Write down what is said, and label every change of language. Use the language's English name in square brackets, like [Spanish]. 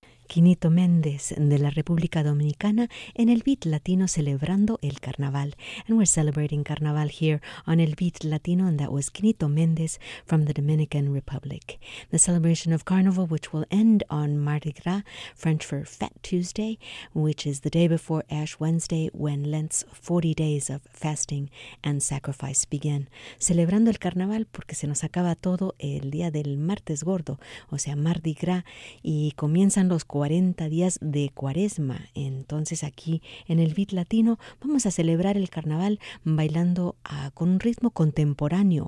[Spanish] Quinito Méndez de la República Dominicana en el Beat Latino celebrando el carnaval. [English] And we're celebrating carnaval here on el Beat Latino, and that was Quinito Méndez from the Dominican Republic. The celebration of carnival, which will end on Mardi Gras, French for Fat Tuesday, which is the day before Ash Wednesday, when Lent's 40 days of fasting and sacrifice begin. [Spanish] Celebrando el carnaval porque se nos acaba todo el día del martes gordo, o sea, Mardi Gras, y comienzan los 40 días de cuaresma. Entonces aquí en el Beat Latino vamos a celebrar el carnaval bailando con un ritmo contemporáneo.